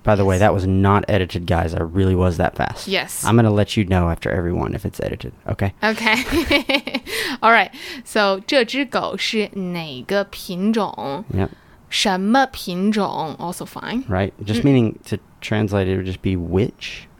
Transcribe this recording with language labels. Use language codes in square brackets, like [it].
[en] By the way, that was not edited, guys. I really was that fast. Yes. I'm going to let you know after everyone if it's edited, okay? Okay. All right. [zh] So, 这只狗是哪个品种? [en] Yep. [zh] 什么品种? [en] Also fine. Right. Just meaning to translate it would just be which?